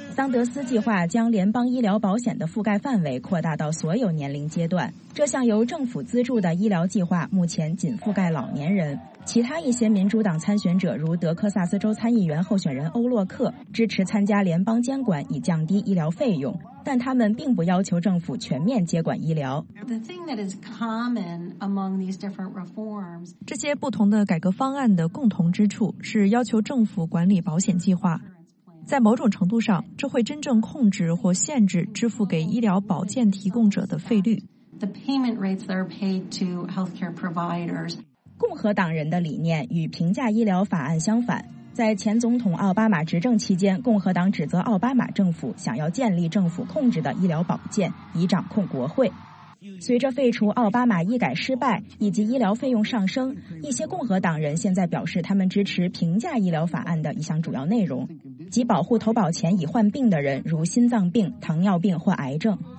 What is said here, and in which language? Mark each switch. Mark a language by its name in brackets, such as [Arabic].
[Chinese] 桑德斯计划将联邦医疗保险的覆盖范围扩大到所有年龄阶段，这项由政府资助的医疗计划目前仅覆盖老年人。其他一些民主党参选者，如德克萨斯州参议员候选人欧洛克，支持参加联邦监管以降低医疗费用。但他们并不要求政府全面接管医疗。 [English] The thing that is common among these different reforms, [Chinese] 这些不同的改革方案的共同之处是要求政府管理保险计划。在某种程度上，这会真正控制或限制支付给医疗保健提供者的费率。 [English] The payment rates that are paid to healthcare providers. [Chinese] 共和党人的理念与平价医疗法案相反。在前总统奥巴马执政期间，共和党指责奥巴马政府想要建立政府控制的医疗保健，以掌控国会。随着废除奥巴马医改失败以及医疗费用上升，一些共和党人现在表示他们支持平价医疗法案的一项主要内容，即保护投保前已患病的人，如心脏病、糖尿病或癌症。